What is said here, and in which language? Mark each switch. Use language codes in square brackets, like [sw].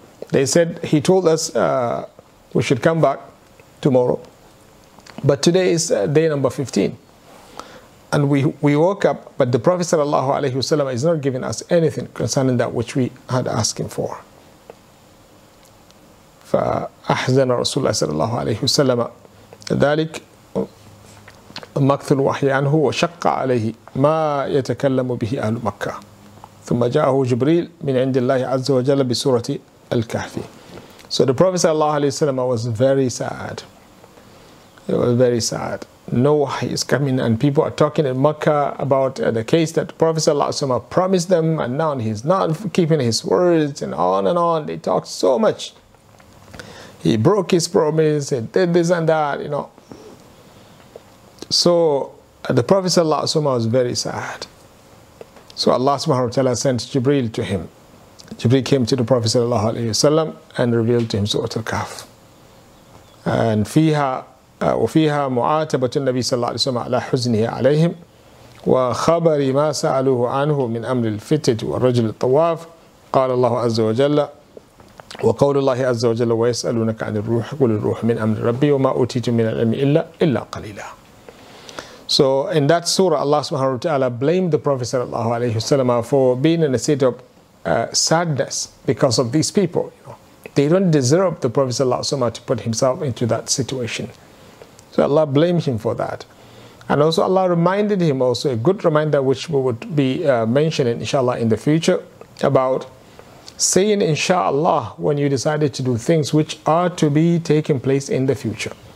[en] They said he told us we should come back tomorrow, but today is day number 15. And we woke up, but the Prophet sallallahu alaihi wasallam is not giving us anything concerning that which we had asked him for. [ar] فأحزن رسول الله صلى الله عليه وسلم ذلك مكث الوحي عنه وشق عليه ما يتكلم به أهل مكة. ثم جاءه جبريل من عند الله عز وجل بسورة الكهف. [en] So the Prophet sallallahu alaihi wasallam was very sad. He was very sad. No wahi is coming, and people are talking in Mecca about the case that Prophet ﷺ promised them, and now he's not keeping his words, and on they talk so much. He broke his promise, he did this and that, you know. So the Prophet ﷺ was very sad. So Allah subhanahu wa ta'ala sent Jibreel to him. Jibreel came to the Prophet ﷺ and revealed to him Surah Al-Kahf. And [ar] fiha وفيها معاتبة النبي صلى الله عليه وسلم على حزنه عليهم وخبر ما سألوه عنه من أمر الفتت والرجل الطواف. قال الله عز وجل وقول الله عز وجل ويسألونك عن الروح قل الروح من أمر ربي وما أوتيت من العلم إلا قليلا. [en] So in that surah, Allah subhanahu wa ta'ala blamed the Prophet صلى الله عليه وسلم for being in a state of sadness because of these people. You know, they don't deserve the Prophet صلى الله عليه وسلم to put himself into that situation. So Allah blamed him for that. And also Allah reminded him also, a good reminder which we would be mentioning inshallah in the future, about saying inshallah when you decided to do things which are to be taking place in the future.